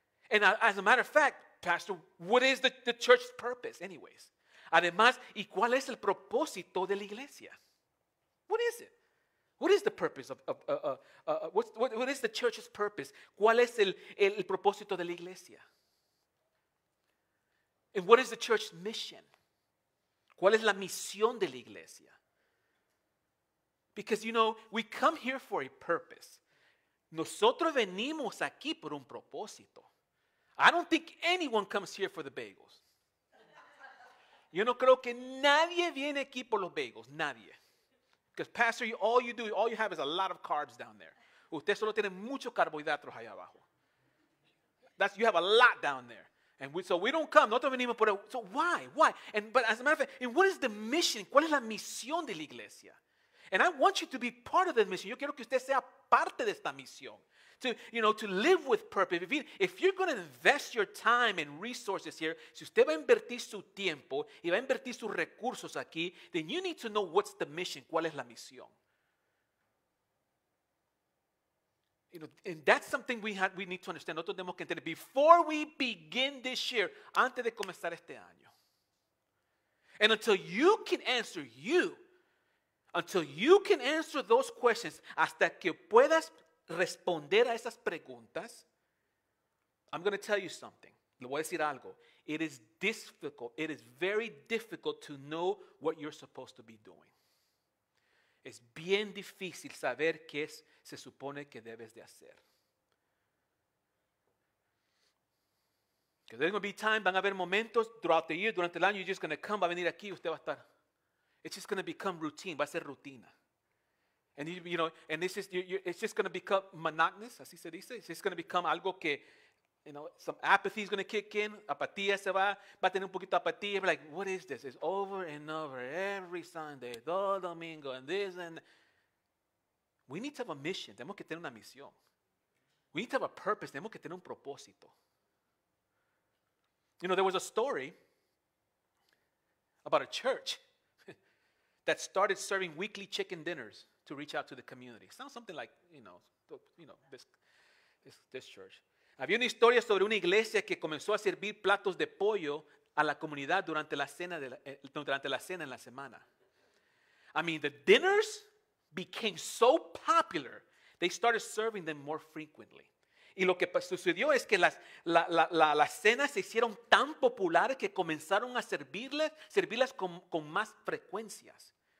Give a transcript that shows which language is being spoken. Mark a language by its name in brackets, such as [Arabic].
[English] And as a matter of fact, Pastor, what is the church's purpose anyways? [Spanish] Además, ¿y cuál es el propósito de la iglesia? [English] What is it? What is the purpose what is the church's purpose? [Spanish] ¿Cuál es el propósito de la iglesia? [English] And what is the church's mission? [Spanish] ¿Cuál es la misión de la iglesia? [English] Because, you know, we come here for a purpose. [Spanish] Nosotros venimos aquí por un propósito. [English] I don't think anyone comes here for the bagels. [Spanish] Yo no creo que nadie viene aquí por los bagels, nadie. [English] Because, Pastor, all you have is a lot of carbs down there. [Spanish] Usted solo tiene muchos carbohidratos allá abajo. [English] That's, you have a lot down there. And we don't come. [Spanish] Nosotros venimos por el, [English] so why? But as a matter of fact, and what is the mission? [Spanish] ¿Cuál es la misión de la iglesia? [English] And I want you to be part of that mission. [Spanish] Yo quiero que usted sea parte de esta misión. [English] To live with purpose. If you're going to invest your time and resources here, [Spanish] si usted va a invertir su tiempo y va a invertir sus recursos aquí, [English] then you need to know what's the mission. [Spanish] ¿Cuál es la misión? [English] You know, and that's something we need to understand. [Spanish] Nosotros tenemos que entender [English] before we begin this year, [Spanish] antes de comenzar este año. [English] And until you can answer those questions, [Spanish] hasta que puedas responder a esas preguntas, [English] I'm going to tell you something. [Spanish] Le voy a decir algo. [English] It is difficult. It is very difficult to know what you're supposed to be doing. [Spanish] Es bien difícil saber qué es, se supone que debes de hacer. [English] Because there's going to be time, [Spanish] van a haber momentos [English] throughout the year, [Spanish] durante el año, [English] you're just going to come, [Spanish] va a venir aquí, usted va a estar. [English] It's just going to become routine, [Spanish] va a ser rutina. [English] And it's just going to become monotonous, [Spanish] así se dice. [English] It's just going to become [Spanish] algo que, [English] you know, some apathy is going to kick in, [Spanish] apatía se va, va a tener un poquito de apatía. [English] You're like, what is this? It's over and over every Sunday, [Spanish] todo domingo, [English] and this and we need to have a mission. [Spanish] Tenemos que tener una misión. [English] We need to have a purpose. [Spanish] Tenemos que tener un propósito. [English] You know, there was a story about a church that started serving weekly chicken dinners to reach out to the community. Sounds something like, you know, this church. [Spanish] Había una historia sobre una iglesia que comenzó a servir platos de pollo a la comunidad durante la cena en la semana. [English] I mean, the dinners became so popular, they started serving them more frequently. [Spanish] Y lo que sucedió es que las cenas se hicieron tan populares que comenzaron a servirlas con más frecuencias.